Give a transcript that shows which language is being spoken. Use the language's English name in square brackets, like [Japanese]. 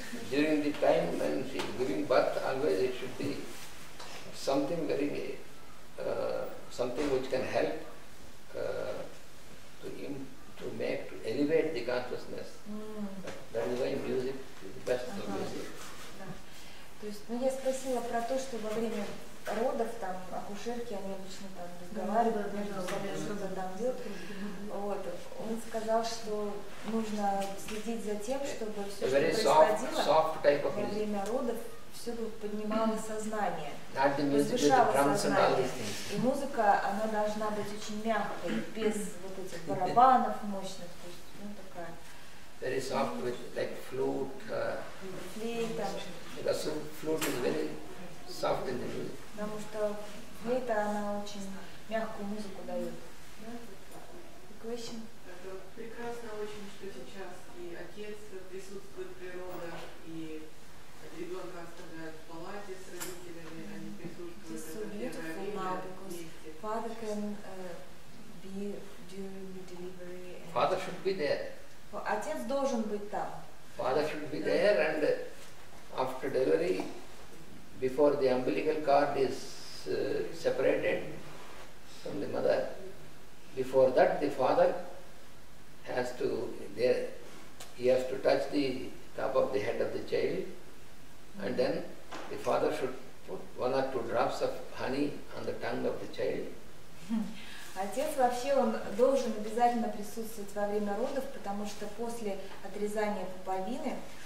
[English] during the time when she is giving birth, always it should be something very something which can help to elevate the consciousness. That is why music is the best of music. [Russian] То есть, ну я спросила про то, что во время родов там акушерки, они обычно там разговаривают, что-то там делают. Вот. Он сказал, что нужно следить за тем, чтобы все, что происходило во время родов, все поднимало сознание, возвышало сознание. И музыка, она должна быть очень мягкой, без вот этих барабанов мощных. То есть, ну, такая. [English] Very soft with like flute. [Russian] Флейта. [English] Because flute is very soft in the music. [Russian] Потому что флейта, она очень мягкую музыку дает. [English] The question? [Russian] Это прекрасно очень, что сейчас и отец присутствует природа, и ребенка оставляют в палате с родителями, они присутствуют. [English] It's so beautiful now, father can be during the delivery. Father should be there. [Russian] Отец должен быть там. [English] Father should be there, and after delivery, before the umbilical cord is separated from the mother, before that the father has to touch the top of the head of the child, and then the father should put one or two drops of honey on the tongue of the child. [Russian] Отец вообще, он должен обязательно присутствовать во время родов, потому что после отрезания пуповины...